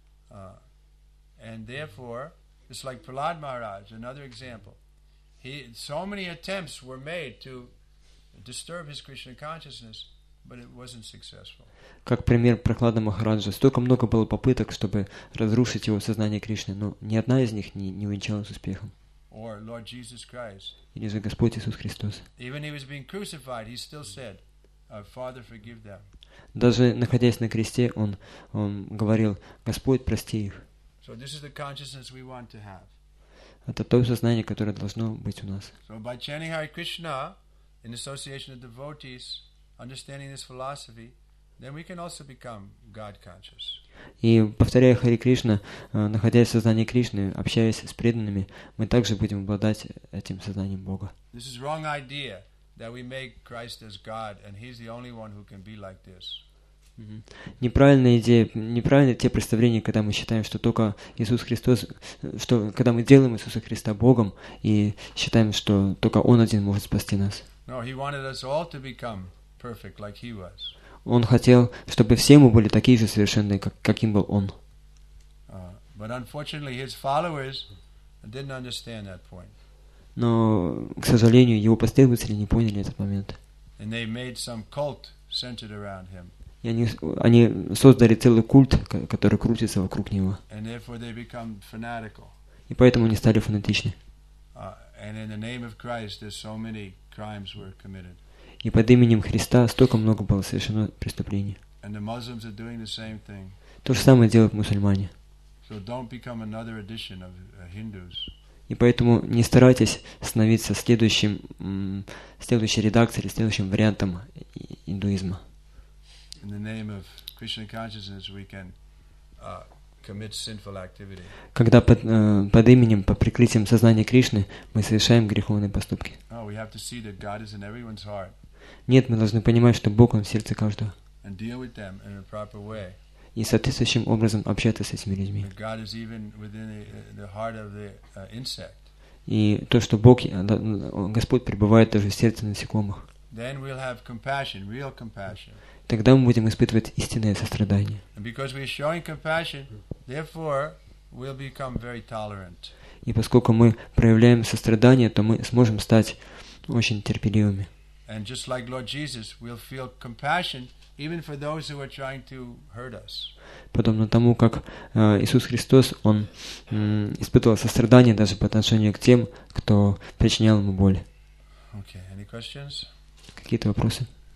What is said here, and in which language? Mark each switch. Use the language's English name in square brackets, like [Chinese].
[English] And therefore, it's like Prahlad Maharaj, another example. He, so many attempts were made to disturb his Krishna consciousness, but it wasn't successful. [Russian] Как пример Прохлада Махараджа, столько много было попыток, чтобы разрушить его сознание Кришны, но ни одна из них не увенчалась успехом. [English] Or Lord Jesus Christ. [Russian] Или же Господь Иисус Христос. [English] Even he was being crucified, he still said, "Father, forgive them." [Russian] Даже находясь на кресте, он говорил: "Господь, прости их." [English] So this is the consciousness we want to have. [Russian] Это то сознание, которое должно быть у нас. [English] So by chanting Hare Krishna in association of devotees, understanding this philosophy, then we can also become God conscious. [Russian] И повторяя Хари Кришна, находясь в сознании Кришны, общаясь с преданными, мы также будем обладать этим сознанием Бога. [English] This is wrong idea that we make Christ as God and he's the only one who can be like this. [Russian] Неправильная идея, неправильные те представления, когда мы считаем, что только Иисус Христос, что когда мы делаем Иисуса Христа Богом и считаем, что только Он один может спасти нас. [English] No, he wanted us all to become perfect like he was. [Russian] Он хотел, чтобы все мы были такие же совершенные, каким был Он. [English] But unfortunately, his followers didn't understand that point. [Russian] Но, к сожалению, его последователи не поняли этот момент. [English] And they made some cult centered around him. [Russian] И они создали целый культ, который крутится вокруг него. [English] And therefore they become fanatical. [Russian] И поэтому они стали фанатичны. [English] And in the name of Christ, there's so many crimes were committed. [Russian] И под именем Христа столько много было совершено преступлений. [English] And the Muslims are doing the same thing. [Russian] То же самое делают мусульмане. [English] So don't become another edition of Hindus. [Russian] И поэтому не старайтесь становиться следующей редакцией или следующим вариантом индуизма. [English] In the name of Krishna consciousness, we can commit sinful activity. [Russian] Когда под именем, под прикрытием сознания Кришны, мы совершаем греховные поступки. [English] Oh, we have to see that God is in everyone's heart. [Russian] Нет, мы должны понимать, что Бог он в сердце каждого. [English] And deal with them in a proper way. [Russian] И соответствующим образом общаться с этими людьми. [English] That God is even within the heart of the insect. [Russian] И то, что Бог, Господь пребывает даже в сердце насекомых. [English] Then we'll have compassion, real compassion. [Russian] Тогда мы будем испытывать истинное сострадание. [English] And because we're showing compassion, therefore we'll become very tolerant. [Russian] И поскольку мы проявляем сострадание, то мы сможем стать очень терпеливыми. [English] And just like Lord Jesus, we'll feel compassion even for those who are trying to hurt us. [Russian] Подобно тому, как Иисус Христос, он испытывал сострадание даже по отношению к тем, кто причинял ему боль. [English] Okay, any questions? [Russian] Какие-то вопросы?